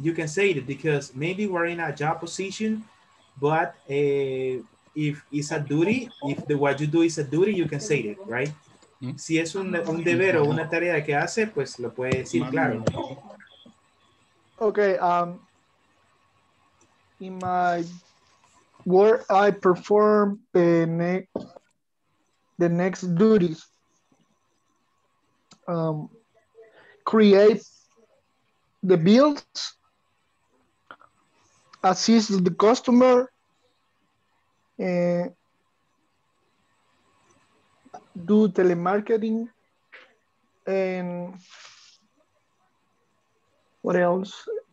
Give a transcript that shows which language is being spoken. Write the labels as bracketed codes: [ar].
[en] You can say it because maybe we're in a job position, but if it's a duty, if the what you do is a duty, you can say it, right? [es] Si es un deber o una tarea que hace, pues lo puede decir claro. [en] Okay. In my where I perform the next duties, create the bills, assist the customer, do telemarketing, and what else?